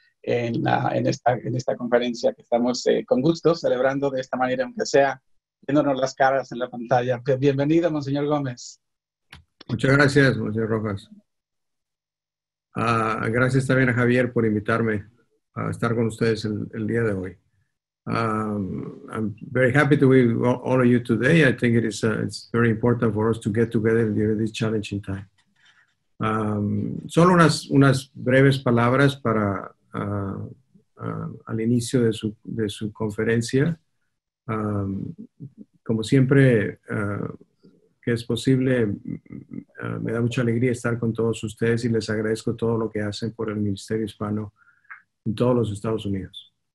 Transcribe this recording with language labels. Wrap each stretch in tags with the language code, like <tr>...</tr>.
<es>En esta conferencia que estamos con gusto celebrando de esta manera, aunque sea viéndonos las caras en la pantalla. Bienvenido, Monseñor Gómez. Muchas gracias, José Rojas. Gracias también a Javier por invitarme a estar con ustedes el día de hoy.</es> <en>I'm very happy to be with all of you today. I think it's very important for us to get together during this challenging time.</en> <es>Solo unas breves palabras para al inicio de su conferencia. Como siempre, que es posible, me da mucha alegría estar con todos ustedes y les agradezco todo lo que hacen por el Ministerio Hispano en todos los Estados Unidos.</es>